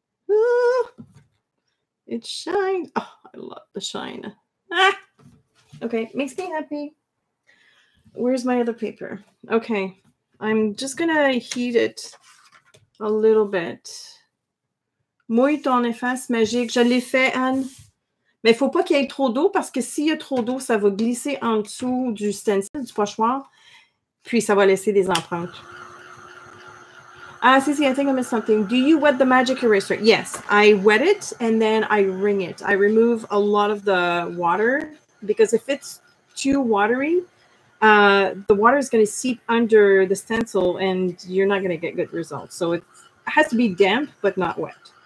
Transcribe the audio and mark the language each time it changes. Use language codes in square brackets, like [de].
[en] Ooh, it shines. Oh, I love the shine. Ah, okay, makes me happy. Where's my other paper? Okay, I'm just going to heat it a little bit. [fr] Mouille ton efface magique. Je l'ai fait, Anne. Mais il ne faut pas qu'il y ait trop d'eau parce que s'il y a trop d'eau, ça va glisser en dessous du stencil, du pochoir, puis ça va laisser des empreintes. [en] Ah, Cici, I think I missed something. Do you wet the magic eraser? Yes, I wet it and then I wring it. I remove a lot of the water because if it's too watery, the water is going to seep under the stencil and you're not going to get good results. So it has to be damp but not wet.